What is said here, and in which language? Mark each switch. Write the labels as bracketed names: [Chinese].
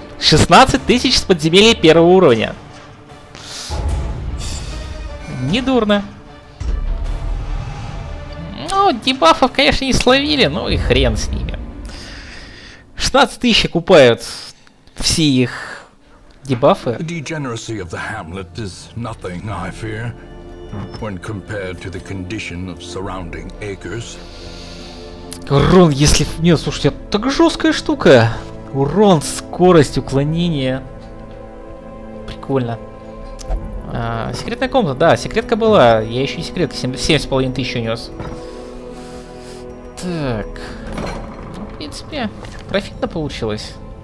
[Russian] 16 тысяч с подземелья первого уровня. Недурно. Ну, дебафов, конечно, не словили, но и хрен с ними. 16 тысяч окупают все их дебафы. [English] Degeneracy of the hamlet is nothing, I fear, when compared to the condition of surrounding acres. [Russian] Урон, если... Нет, слушайте, так жесткая штука. Урон, скорость, уклонение. Прикольно. Секретная комната, да, секретка была, я еще и секретка, 7,5 тысяч унес. Так, ну, в принципе, профитно получилось.